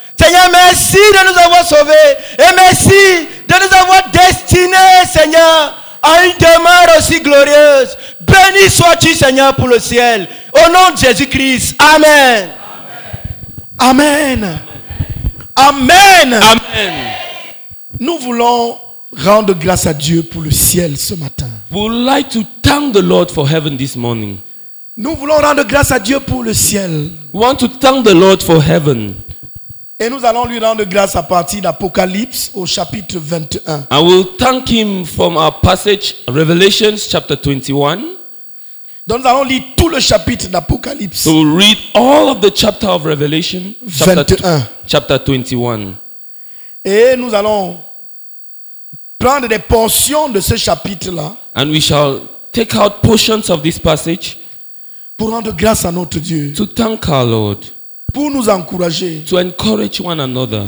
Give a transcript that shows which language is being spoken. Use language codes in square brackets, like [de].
[fr] Seigneur, merci de nous avoir sauvés et merci de nous avoir destinés, Seigneur, à une demeure aussi glorieuse. Béni sois-tu, Seigneur, pour le ciel. Au nom de Jésus-Christ, amen. Amen. Amen. Amen. Amen. Amen. Nous voulons rendre grâce à Dieu pour le ciel ce matin. [en] We would like to thank the Lord for heaven this morning. [fr] Nous voulons rendre grâce à Dieu pour le ciel. [en] We want to thank the Lord for heaven. [fr] Et nous allons lui rendre grâce à partir d'Apocalypse au chapitre 21. [en] I will thank him from our passage Revelations chapter 21. [fr] Donc nous allons lire tout le chapitre d'Apocalypse. [en] So we'll read all of the chapter of Revelation chapter 21. Chapter 21. [fr] Et nous allons prendre des portions de ce chapitre-là. [en] And we shall take out portions of this passage. [fr] Pour rendre grâce à notre Dieu. [en] To thank our Lord. [fr] Pour nous encourager. [en] To encourage one another.